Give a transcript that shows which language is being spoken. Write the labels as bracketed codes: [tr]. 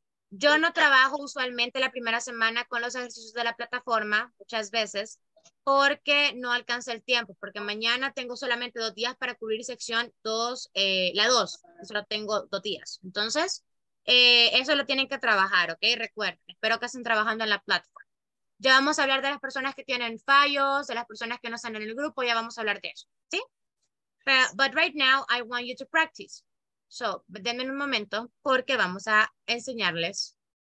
[es] Yo no trabajo usualmente la primera semana con los ejercicios de la plataforma, muchas veces, porque no alcanza el tiempo, porque mañana tengo solamente 2 días para cubrir sección 2, la 2, solo tengo 2 días. Entonces, eso lo tienen que trabajar, ¿ok? Recuerden, espero que estén trabajando en la plataforma. Ya vamos a hablar de las personas que tienen fallos, de las personas que no están en el grupo, ya vamos a hablar de eso, ¿sí? [en] But right now, I want you to practice. [es] So, denme un momento, porque vamos a enseñarles.